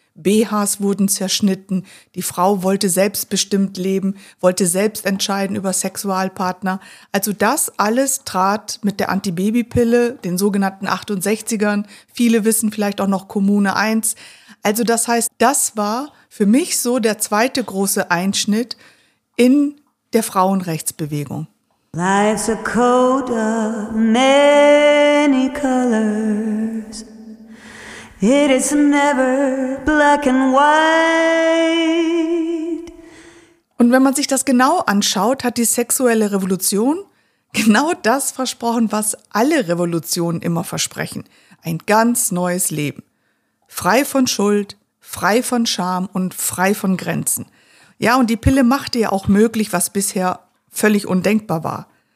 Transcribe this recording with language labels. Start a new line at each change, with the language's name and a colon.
German: BHs wurden zerschnitten, die Frau wollte selbstbestimmt leben, wollte selbst entscheiden über Sexualpartner. Also das alles trat mit der Antibabypille, den sogenannten 68ern, viele wissen vielleicht auch noch Kommune 1. Also das heißt, das war für mich so der zweite große Einschnitt in der Frauenrechtsbewegung.
English: Life's a coat of many colors. It is never black and white.
German: Und wenn man sich das genau anschaut, hat die sexuelle Revolution genau das versprochen, was alle Revolutionen immer versprechen. Ein ganz neues Leben. Frei von Schuld, frei von Scham und frei von Grenzen. Ja, und die Pille machte ja auch möglich, was bisher völlig undenkbar war.